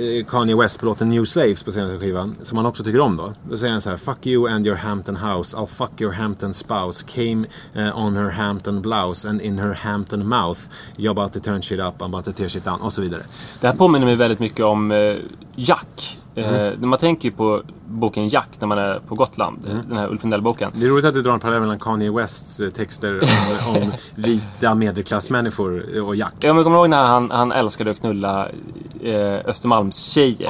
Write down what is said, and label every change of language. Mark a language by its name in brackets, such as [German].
[Swedish] Kanye West på låten New Slaves på senaste skivan, som han också tycker om då. Då säger han så här: [English] fuck you and your Hampton house, I'll fuck your Hampton spouse, came on her Hampton blouse and in her Hampton mouth, you're about to turn shit up, I'm about to tear shit down, [Swedish] och så vidare. Det här påminner mig väldigt mycket om Jack. Mm. Man tänker ju på boken Jack när man är på Gotland. Mm. Den här Ulf Lundell-boken. Det är roligt att du drar en parallell mellan Kanye Wests texter om vita medelklassmänniskor och Jack. Ja, men jag kommer ihåg när han älskade att knulla Östermalms tjejer.